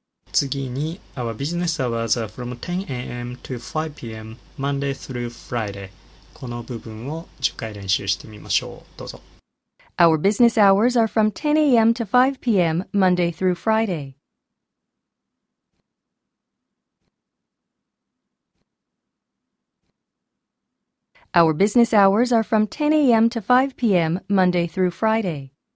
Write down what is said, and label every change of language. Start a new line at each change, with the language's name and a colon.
English: 次に、our business hours are from 10 a.m. to 5 p.m. Monday through Friday.
Japanese: この部分を10回練習してみましょう。どうぞ。
English: Our business hours are from 10 a.m. to 5 p.m. Monday through Friday. Our business hours are from 10 a.m. to 5 p.m. Monday through Friday.